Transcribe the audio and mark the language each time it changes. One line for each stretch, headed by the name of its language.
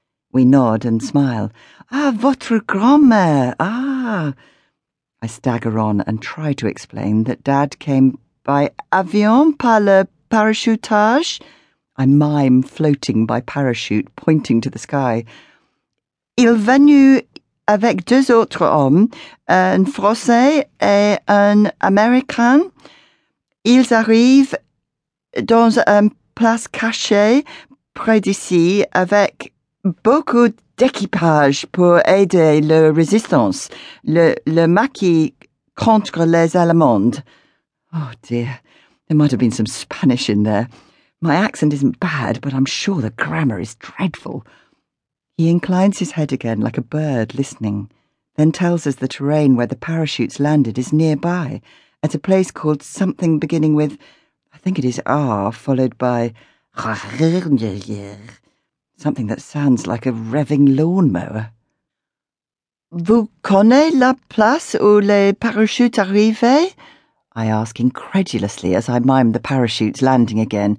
English: We nod and smile.
French: "Ah, votre grand-mère, ah!"
English: I stagger on and try to explain that Dad came by
French: avion par le parachutage.
English: I mime floating by parachute, pointing to the sky.
French: "Il venu avec deux autres hommes, un Français et un Américain. Ils arrivent dans un place cachée près d'ici avec beaucoup d'équipage pour aider la résistance, le Maquis contre les Allemands."
English: Oh dear, there might have been some Spanish in there. My accent isn't bad, but I'm sure the grammar is dreadful. He inclines his head again like a bird listening, then tells us the terrain where the parachutes landed is nearby, at a place called something beginning with, I think it is R, followed by something that sounds like a revving lawnmower.
French: "Vous connaissez la place où les parachutes arrivaient?"
English: I ask incredulously as I mime the parachutes landing again.